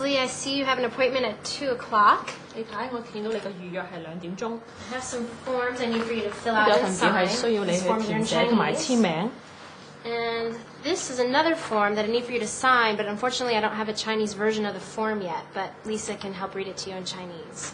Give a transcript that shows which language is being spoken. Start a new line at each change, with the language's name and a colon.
English: Lee, I see you have an appointment at 2 o'clock.
Cantonese: 你睇，我見到你個預約係2點鐘。
English: I have some forms I need for you to fill out and sign.
Cantonese: 有份表係需要你去填寫同埋簽名。
English: And this is another form that I need for you to sign, but unfortunately I don't have a Chinese version of the form yet, but Lisa can help read it to you in Chinese.